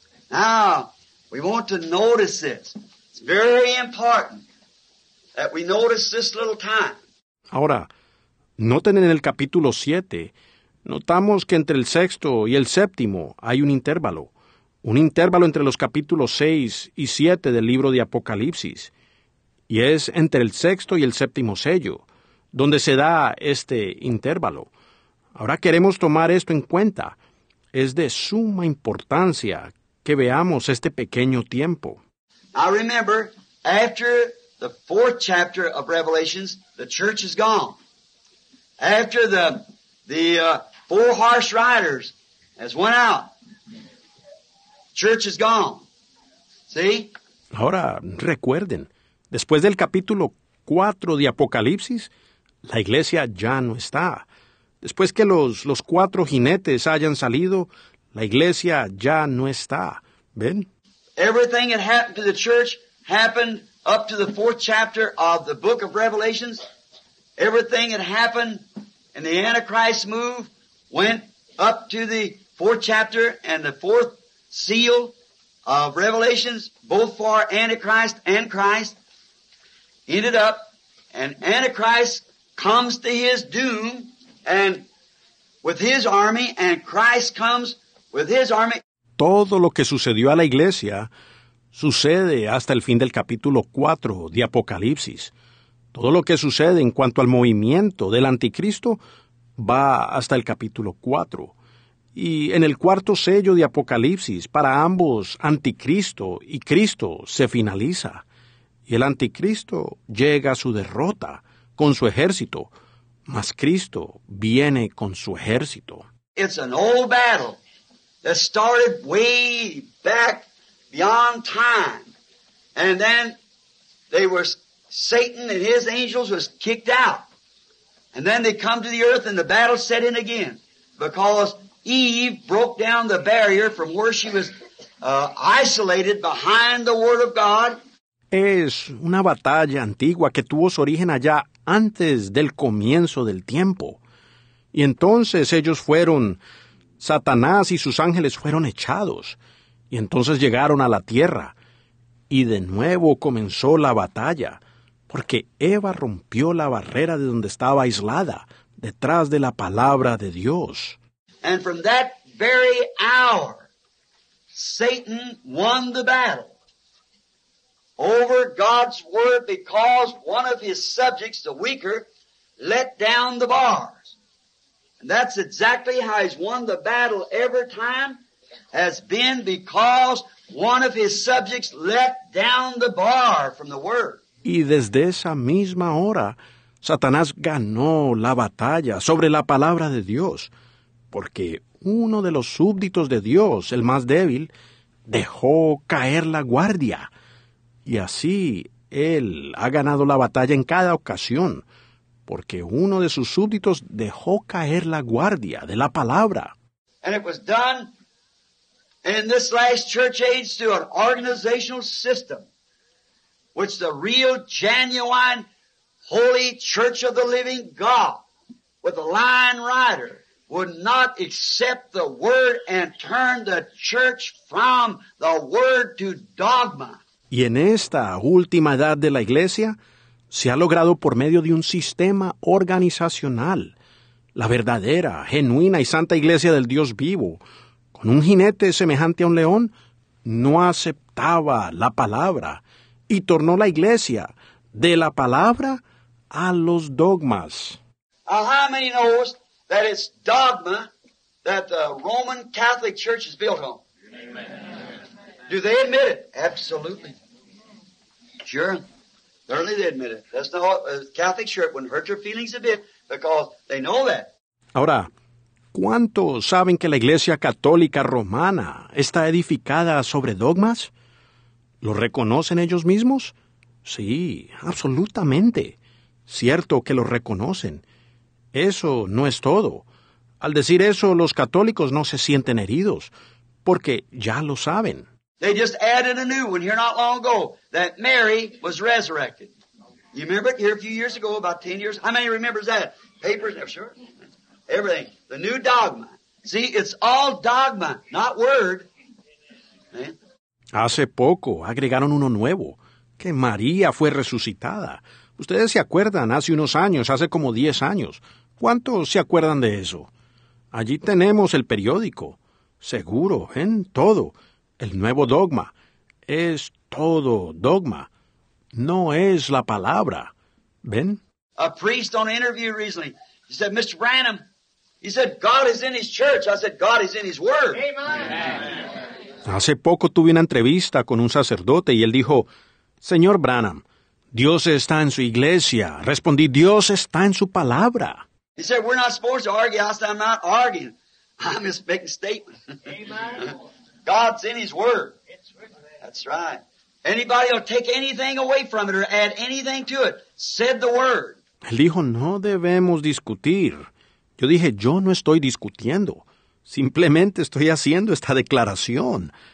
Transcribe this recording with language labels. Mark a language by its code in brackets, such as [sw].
[en] Now, we want to notice this. It's very important that we notice this little time. [es] Ahora, noten en el capítulo 7, notamos que entre el sexto y el séptimo hay un intervalo. Un intervalo entre los capítulos 6 y 7 del libro de Apocalipsis, y es entre el sexto y el séptimo sello, donde se da este intervalo. Ahora queremos tomar esto en cuenta. Es de suma importancia que veamos este pequeño tiempo. [en] I remember, after the fourth chapter of Revelations, the church is gone. After the four horse riders has went out, church is gone. See? [es] Ahora, recuerden, después del capítulo 4 de Apocalipsis, la iglesia ya no está. Después que los cuatro jinetes hayan salido, la iglesia ya no está. ¿Ven? [en] Everything that happened to the church happened up to the fourth chapter of the book of Revelations. Everything that happened in the Antichrist move went up to the fourth chapter and the fourth seal of Revelations, both for Antichrist and Christ, ended up, and Antichrist comes to his doom and with his army, and Christ comes with his army. [es] Todo lo que sucedió a la iglesia sucede hasta el fin del capítulo 4 de Apocalipsis. Todo lo que sucede en cuanto al movimiento del anticristo va hasta el capítulo 4. Y en el cuarto sello de Apocalipsis, para ambos, anticristo y Cristo se finaliza. Y el anticristo llega a su derrota con su ejército, mas Cristo viene con su ejército. [en] It's an old battle that started way back beyond time. And then they were, Satan and his angels was kicked out. And then they come to the earth and the battle set in again. Because Eve broke down the barrier from where she was isolated behind the Word of God. [es] Es una batalla antigua que tuvo su origen allá antes del comienzo del tiempo. Y entonces ellos fueron, Satanás y sus ángeles fueron echados. Y entonces llegaron a la tierra. Y de nuevo comenzó la batalla, porque Eva rompió la barrera de donde estaba aislada, detrás de la palabra de Dios. [en] And from that very hour, Satan won the battle over God's word, because one of his subjects, the weaker, let down the bars. And that's exactly how he's won the battle every time, has been because one of his subjects let down the bar from the word. [es] Y desde esa misma hora, Satanás ganó la batalla sobre la palabra de Dios, porque uno de los súbditos de Dios, el más débil, dejó caer la guardia. Y así, él ha ganado la batalla en cada ocasión, porque uno de sus súbditos dejó caer la guardia de la palabra. [en] And it was done in this last church age through an organizational system, which the real, genuine, holy church of the living God, with the lion rider, would not accept the word and turn the church from the word to dogma. [es] Y en esta última edad de la iglesia, se ha logrado por medio de un sistema organizacional, la verdadera, genuina y santa iglesia del Dios vivo, con un jinete semejante a un león, no aceptaba la palabra y tornó la iglesia de la palabra a los dogmas. [en] How many knows that it's dogma that the Roman Catholic Church is built on? Do they admit it? Absolutely. Sure. Certainly they admit it. That's the Catholic Church wouldn't hurt your feelings a bit because they know that. [es] Ahora, ¿cuántos saben que la Iglesia Católica Romana está edificada sobre dogmas? ¿Lo reconocen ellos mismos? Sí, absolutamente. Cierto que lo reconocen. Eso no es todo. Al decir eso, los católicos no se sienten heridos, porque ya lo saben. [en] They just added a new one here not long ago, that Mary was resurrected. You remember it here a few years ago, about 10 years? How many remembers that? Papers, sure. Everything. The new dogma. See, it's all dogma, not word. Man. [es] Hace poco agregaron uno nuevo, que María fue resucitada. Ustedes se acuerdan, hace unos años, hace como 10 años. ¿Cuántos se acuerdan de eso? Allí tenemos el periódico. Seguro, en todo. El nuevo dogma es todo dogma, no es la palabra. ¿Ven? [en] A priest on an interview recently, he said, Mr. Branham, he said, God is in his church. I said, God is in his word. Amen. [es] Hace poco tuve una entrevista con un sacerdote y él dijo, Señor Branham, Dios está en su iglesia. Respondí, Dios está en su palabra. [en] He said, we're not supposed to argue. I said, I'm not arguing. I'm just making a statement. Amen. God's in his word. It's written there. That's right. Anybody will take anything away from it or add anything to it. Said the word. [es] Él dijo, no debemos discutir. Yo dije, yo no estoy discutiendo. Simplemente estoy haciendo esta declaración.